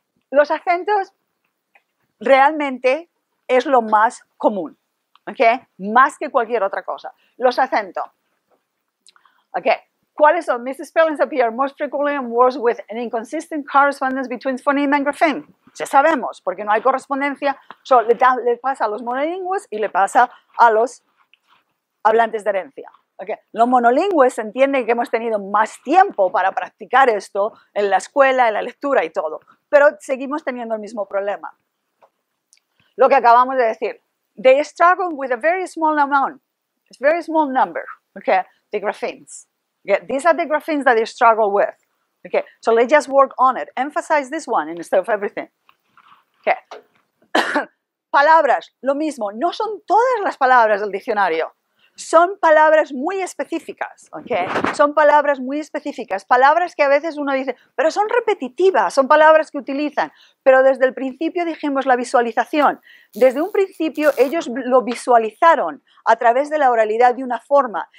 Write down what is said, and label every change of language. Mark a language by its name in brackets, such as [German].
[Spanish] Los acentos realmente es lo más común, ¿okay? Más que cualquier otra cosa. Los acentos. Okay. ¿Cuáles son? [English] Misspellings appear most frequently in words with an inconsistent correspondence between phoneme and grapheme. [Spanish] Ya sabemos, porque no hay correspondencia. So, le pasa a los monolingües y le pasa a los hablantes de herencia. Okay. Los monolingües entienden que hemos tenido más tiempo para practicar esto en la escuela, en la lectura y todo. Pero seguimos teniendo el mismo problema. Lo que acabamos de decir. [English] They struggle with a very small amount. It's a very small number. Okay. The graphemes. Okay. These are the graphemes that they struggle with. Okay. So let's just work on it. Emphasize this one instead of everything. [Spanish] Okay. Palabras. Lo mismo. No son todas las palabras del diccionario. Son palabras muy específicas, ¿ok? Son palabras muy específicas, palabras que a veces uno dice, pero son repetitivas, son palabras que utilizan. Pero desde el principio dijimos la visualización. Desde un principio ellos lo visualizaron a través de la oralidad de una forma.